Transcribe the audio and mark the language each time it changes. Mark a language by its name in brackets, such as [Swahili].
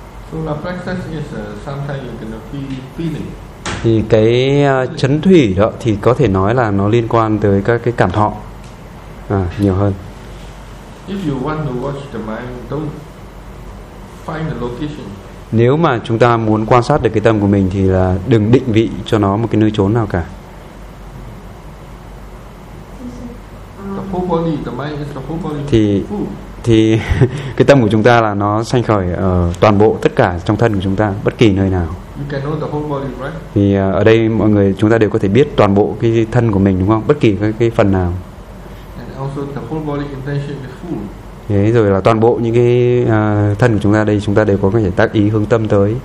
[English] So the practice is sometimes you can feel feeling. [Vietnamese] Thì cái chấn thủy đó thì có thể nói là nó liên quan tới các cái cảm thọ nhiều hơn. [English] If you want to watch the mind, don't find the location. [Vietnamese] Nếu mà chúng ta muốn quan sát được cái tâm của mình thì là đừng định vị cho nó một cái nơi chốn nào cả. [English] The whole body, the mind is the whole body. [Vietnamese] Thì thì cái tâm của chúng ta là nó sanh khởi ở toàn bộ tất cả trong thân của chúng ta, bất kỳ nơi nào. [English] You can know the whole body, right? [Vietnamese] Thì ở đây mọi người chúng ta đều có thể biết toàn bộ cái thân của mình, đúng không? Bất kỳ cái phần nào. [English] And also the whole body intention is full. [Vietnamese] Thế rồi là toàn bộ những cái thân của chúng ta đây, chúng ta đều có thể tác ý hướng tâm tới.